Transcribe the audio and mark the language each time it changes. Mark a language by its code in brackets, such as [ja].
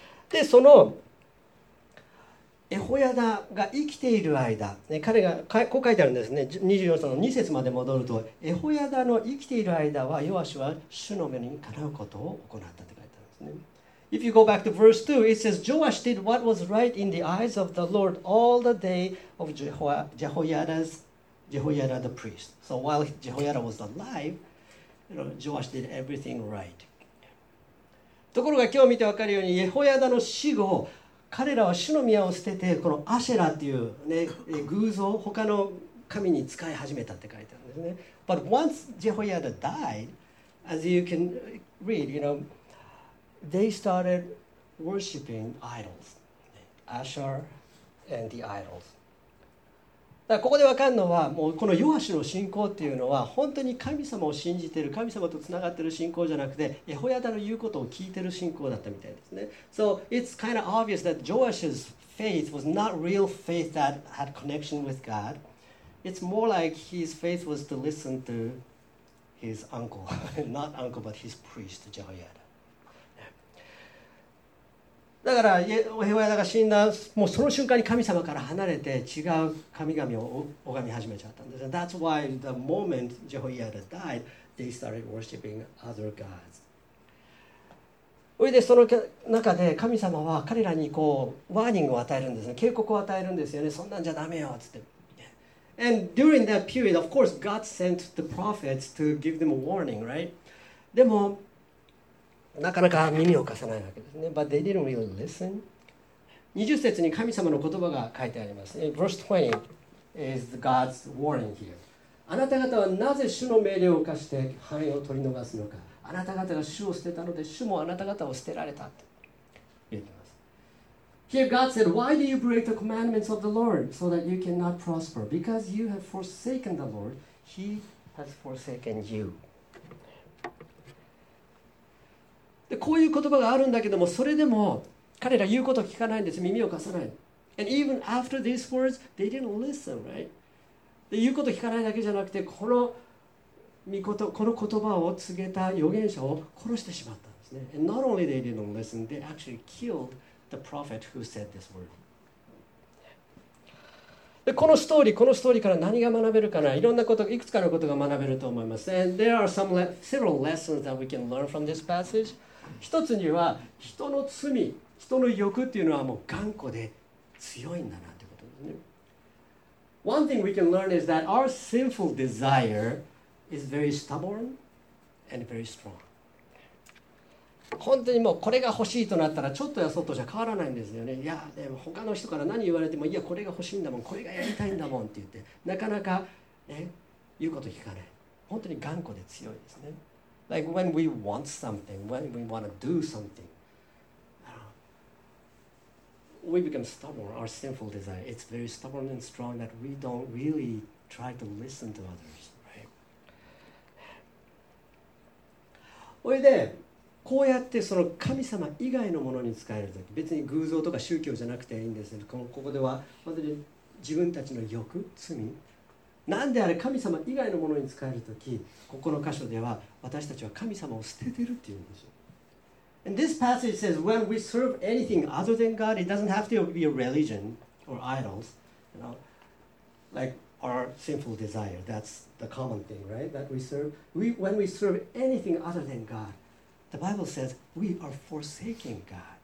[ja] で、そのエホヤダが生きている間、彼がこう書いてあるんですね、24章の2節まで戻ると、エホヤダの生きている間は、ヨアシュは主の目にかなうことを行ったって書いてあるんですね。 [en] If you go back to verse 2, it says, Joash did what was right in the eyes of the Lord all the day of Jehoiada the priest. So while Jehoiada was alive, you know, Joash did everything right. [ja] ところが今日見て分かるように、エホヤダの死後、彼らは主の宮を捨てて、このアシェラっていう、ね、偶像、他の神に使い始めたって書いてあるんですね。 [en] But once Jehoiada died, as you can read, you know, they started worshiping idols, Asher and the idols. [ja] だここで分かるのは、もうこのヨアシュの信仰っていうのは、本当に神様を信じている、神様とつながっている信仰じゃなくて、エホヤダの言うことを聞いている信仰だったみたいですね。 [en] So it's kind of obvious that Joash's faith was not real faith that had connection with God. It's more like his faith was to listen to his uncle, not uncle, but his priest, Jehoiada. [ja] だからエホヤダが死んだ、もうその瞬間に神様から離れて違う神々を拝み始めちゃったんです。 [en] That's why the moment Jehoiada died, they started worshiping other gods. [ja] それでその中で神様は彼らにこうワーニングを与えるんですね。警告を与えるんですよね。そんなんじゃダメよつって。 [en] And during that period, of course, God sent the prophets to give them a warning, right? [ja] でもなかなか耳を貸さないわけですね。 [en] But they didn't really listen. [ja] 20節に神様の言葉が書いてあります。 [en] Verse 20 is God's warning here. [ja] あなた方はなぜ主の命令を犯して繁栄を取り逃すのか。あなた方が主を捨てたので主もあなた方を捨てられたと言ってます。 [en] Here God said, Why do you break the commandments of the Lord so that you cannot prosper? Because you have forsaken the Lord, He has forsaken you. [ja] でこういう言葉があるんだけども、それでも彼ら言うことを聞かないんです。耳を貸さない。 [en] And even after these words, they didn't listen, right? [ja] で言うことを聞かないだけじゃなくて、この言葉を告げた預言者を殺してしまったんですね。 [en] And not only they didn't listen, they actually killed the prophet who said this word. [ja] でこのストーリーから何が学べるかな、いろんなこと、いくつかのことが学べると思います。 [en] And there are several lessons that we can learn from this passage. [ja] 一つには人の罪、人の欲っていうのはもう頑固で強いんだなってことですね。 [en] One thing we can learn is that our sinful desire is very stubborn and very strong. [ja] 本当にもうこれが欲しいとなったらちょっとやそっとじゃ変わらないんですよね。いやでも他の人から何言われてもいやこれが欲しいんだもん、これがやりたいんだもんって言ってなかなか、ね、言うこと聞かない。本当に頑固で強いですね。 [en] Like when we want something, when we want to do something, we become stubborn. Our sinful desire, it's very stubborn and strong that we don't really try to listen to others, right? [ja] それで、こうやってその神様以外のものに使えるとき、別に偶像とか宗教じゃなくていいんですけど、ここでは本当に自分たちの欲、罪、なんであれ神様以外のものに使えるとき、ここの箇所では私たちは神様を捨ててるって言うんですよ。 [en] And this passage says, when we serve anything other than God, it doesn't have to be a religion or idols, you know, like our sinful desire. That's the common thing, right? That we serve. When we serve anything other than God, the Bible says we are forsaking God.